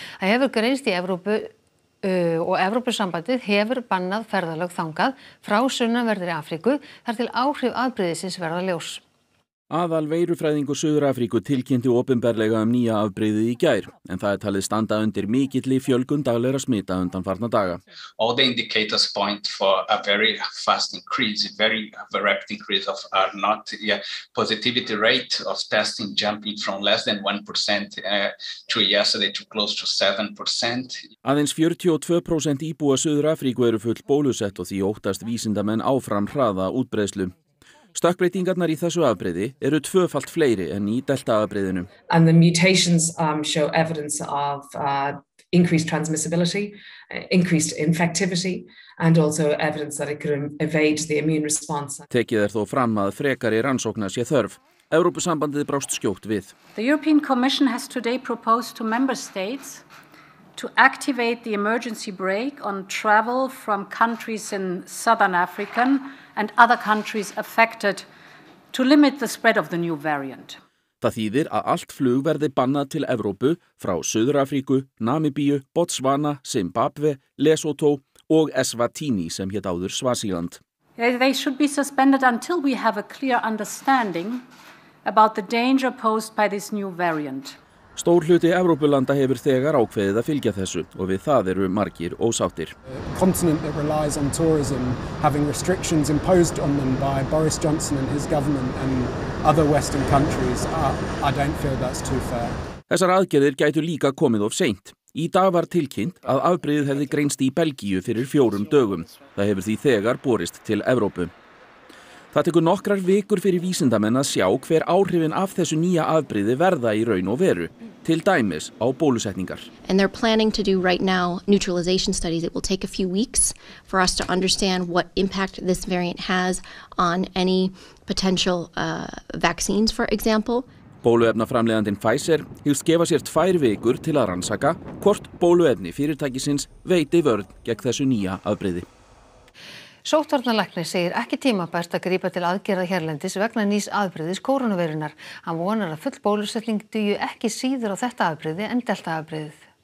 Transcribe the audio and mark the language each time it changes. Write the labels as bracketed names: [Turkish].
[Icelandic] Það hefur greinst í Evrópu og Evrópusambandið hefur bannað ferðalög þangað frá sunnanverðri Afríku þar til áhrif afbrigðisins verða ljós. Aðal veirufræðingur Suður-Afríku tilkynnti opinberlega nýja afbrigðið í gær, en það talið standa undir mikilli fjölgun daglegra smita undanfarna daga. [English] All the indicators point for a very fast increase, very rapid increase of our not positivity rate of testing jumping from less than 1% to yesterday to close to 7%. [Icelandic] Aðeins 42% íbúa Suður-Afríku eru full bólusett og því óttast vísindamenn áfram hraða útbreiðslu. Stökkbreytingarnar í þessu afbrigði eru tvöfalt fleiri en í delta afbrigðinu. [English] And the mutations show evidence of increased transmissibility, increased infectivity and also evidence that it could evade the immune response. [Icelandic] Tekið þó fram að frekari rannsókna sé þörf. Evrópusambandið brást skjótt við. [English] The European Commission has today proposed to member states to activate the emergency brake on travel from countries in Southern Africa and other countries affected to limit the spread of the new variant. [Icelandic] Það þýðir að allt flug verði bannað til Evrópu frá Suður-Afríku, Namibíu, Botswana, Zimbabwe, Lesotho og Eswatini sem hét áður Swaziland. [English] They should be suspended until we have a clear understanding about the danger posed by this new variant. [Icelandic] Stór hluti Evrópulanda hefur þegar ákveðið að fylgja þessu og við það eru margir ósáttir. [English] A continent that relies on tourism having restrictions imposed on them by Boris Johnson and his government and other western countries I don't feel that's too fair. [Icelandic] Þessar aðgerðir gætu líka komið of seint. Í dag var tilkynnt að afbrigðið hefði greinst í Belgíu fyrir 4 dögum. Það hefur því þegar borist til Evrópu. Það tekur nokkrar vikur fyrir vísindamenn að sjá hver áhrifin af þessu nýja afbrigði verða í raun og veru, til dæmis á bólusetningar. [English] And they're planning to do right now neutralization studies. It will take a few weeks for us to understand what impact this variant has on any potential vaccines, for example. [Icelandic] Bóluefnaframleiðandinn Pfizer hyggst gefa sér 2 vikur til að rannsaka hvort bóluefni fyrirtækisins veiti vörn gegn þessu nýja afbrigði. Sóttvarnalæknir segir ekki tímabært að grípa til aðgerða hérlendis vegna nýs afbrigðis kórónuveirunnar. Hann vonar að full bólusetning dugi ekki síður á þetta afbrigði en delta afbrigðið.